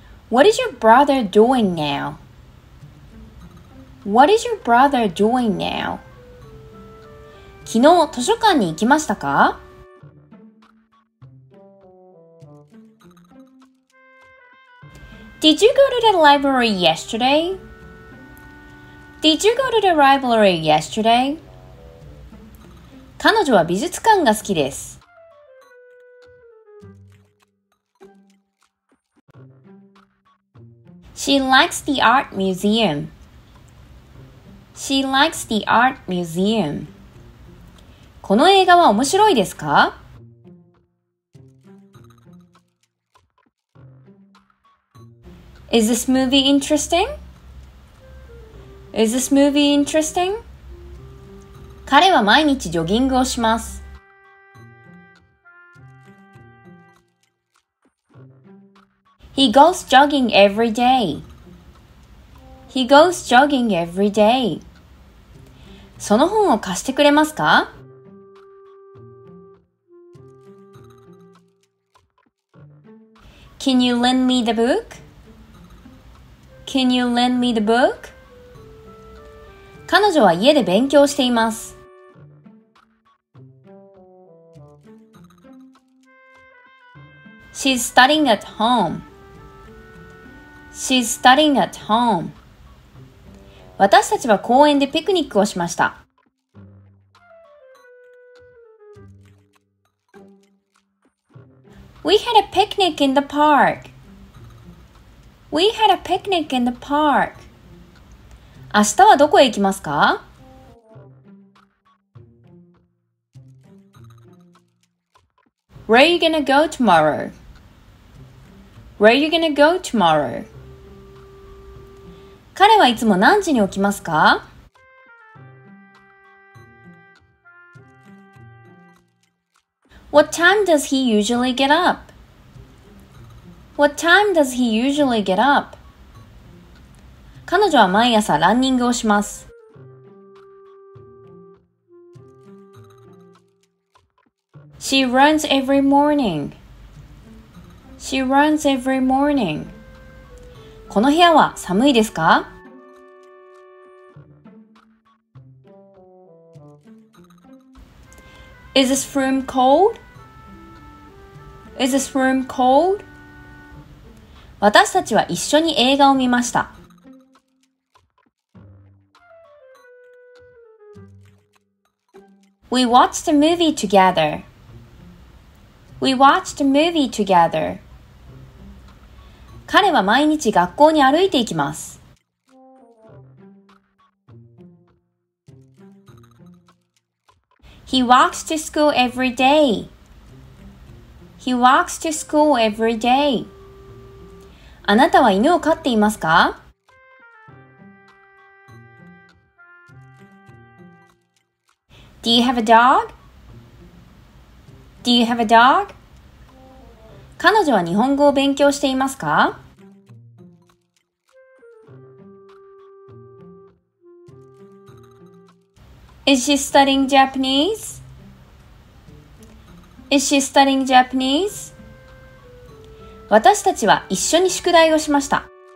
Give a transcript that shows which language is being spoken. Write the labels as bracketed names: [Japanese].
[English] What is your brother doing now? What is your brother doing now? [Japanese] 昨日図書館に行きましたか? [English] Did you go to the library yesterday? Did you go to the library yesterday? [Japanese] 彼女は美術館が好きです。 [English] She likes the art museum. She likes the art museum. [Japanese] この映画は面白いですか? [English] Is this movie interesting? Is this movie interesting? [Japanese] 彼は毎日ジョギングをします。 [English] He goes jogging every day. He goes jogging every day. [Japanese] その本を貸してくれますか？ [English] Can you lend me the book? Can you lend me the book? [Japanese] 彼女は家で勉強しています。 [English] She's studying at home. She's studying at home. [Japanese] 私たちは公園でピクニックをしました。 [English] We had a picnic in the park. We had a picnic in the park. [Japanese] 明日はどこへ行きますか? [English] Where are you gonna go tomorrow? Where are you gonna go tomorrow? [Japanese] 彼はいつも何時に起きますか? [English] What time does he usually get up? What time does he usually get up? [Japanese] 彼女は毎朝ランニングをします。 [English] She runs every morning. She runs every morning. [Japanese] この部屋は寒いですか? [English] Is this room cold? Is this room cold? [Japanese] 私たちは一緒に映画を見ました。 [English] We watched a movie together. We watched a movie together. [Japanese] 彼は毎日学校に歩いていきます。 [English] He walks to school every day. He walks to school every day. [Japanese] あなたは犬を飼っていますか? [English] Do you have a dog? Do you have a dog? [Japanese] 彼女は日本語を勉強していますか? [English] Is she studying Japanese? Is she studying Japanese? [Japanese] 私たちは一緒に宿題をしました。